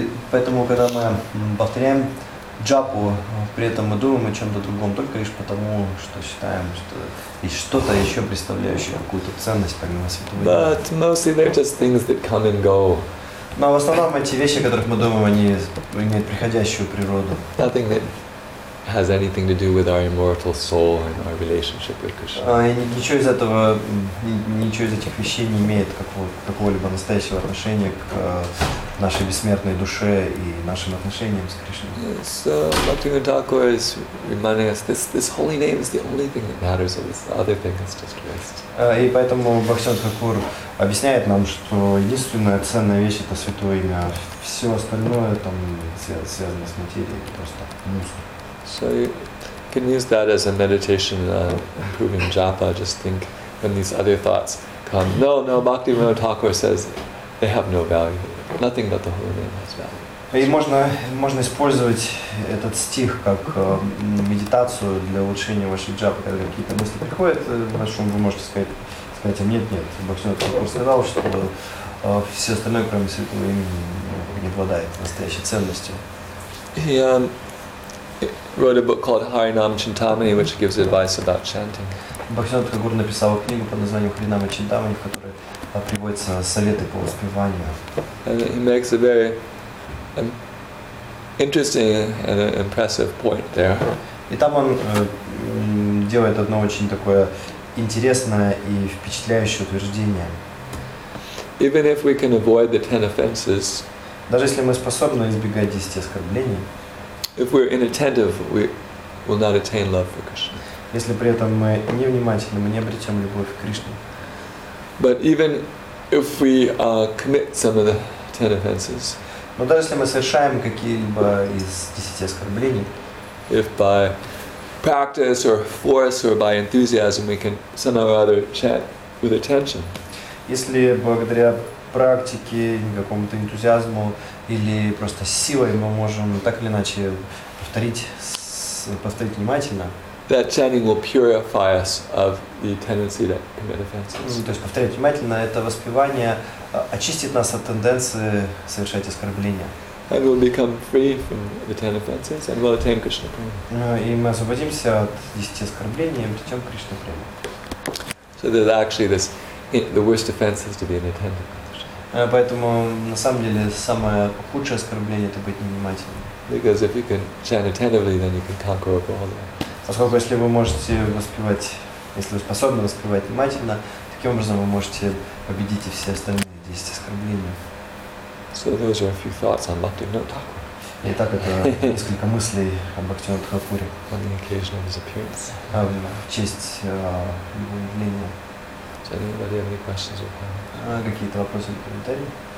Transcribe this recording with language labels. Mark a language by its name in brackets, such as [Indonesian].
[Russian] Поэтому когда мы повторяем джапу, при этом мы думаем о чем-то другом только лишь потому, что считаем, что есть что-то еще представляющее какую-то ценность помимо святого. [English] But mostly they're just things that come and go. [Russian] Но в основном эти вещи, о которых мы думаем, они имеют приходящую природу. [English] Nothing that has anything to do with our immortal soul and our relationship with Krishna. [Russian] Ничего из этих вещей не имеет какого-либо настоящего отношения к нашей бессмертной душе и нашим отношениям с Кришной. [English] Yes, Bhaktivinoda Thakur is reminding us this holy name is the only thing that matters, all this other thing is just rest. [Russian] И поэтому Бхактивинода Тхакур объясняет нам, что единственная ценная вещь это святое имя, все остальное там связано с материей, просто мусор. [English] So you can use that as a meditation improving japa. Just think when these other thoughts come. No, Bhaktivinoda Thakur says they have no value. Nothing but the holy name has value. [Russian] И можно использовать этот стих как медитацию для улучшения вашей джапы. Когда какие-то мысли приходят, вы можете сказать им нет. Бхактивинода Тхакур сказал, что все остальное, кроме святого имени, не обладает настоящей ценностью. [English] Wrote a book called Harinam Chintamani, which gives advice about chanting. [Russian] Бхактивинода Тхакур написал книгу под названием Харинама Чинтамани, в которой приводятся советы по успеванию. [English] And he makes a very interesting and impressive point there. [Russian] И там он делает одно очень такое интересное и впечатляющее утверждение. [English] Even if we can avoid the 10 offenses, [Russian] даже если мы способны избегать 10 оскорблений, [English] if we're inattentive, we will not attain love for Krishna. [Russian] Если при этом мы не внимательны, мы не обретем любовь к Кришне. [English] But even if we commit some of the 10 offenses, [Russian] но даже если мы совершаем какие-либо из 10 оскорблений, [English] if by practice or force or by enthusiasm we can somehow or other chant with attention. [Russian] Если благодаря практике, какому-то энтузиазму или просто силой мы можем так или иначе повторить внимательно. [English] That chanting will purify us of the tendency to commit offenses. [Russian] То есть повторять внимательно это воспевание очистит нас от тенденции совершать оскорбления. [English] and we'll become free from the 10 offenses and we'll attain Krishna prema. [Russian] И мы освободимся от 10 оскорблений и обретем Кришна прему. [English] So that actually this the worst offense is to be an attendant. [Russian] Поэтому на самом деле самое худшее оскорбление это быть невнимательным. [English] Because if you can chant attentively, then you can conquer over all that. [Russian] Поскольку если вы можете воспевать, если вы способны воспевать внимательно, таким образом вы можете победить и все остальные 10 оскорблений. [English] So those are a few thoughts on Bhaktivinoda Thakur. [Russian] Итак, это несколько мыслей об Бхактивинода Тхакуре. [English] On the occasion of his appearance. [Russian] В честь его явления. [English] Does anybody have any questions or comments? [Russian] Какие-то вопросы или комментарии?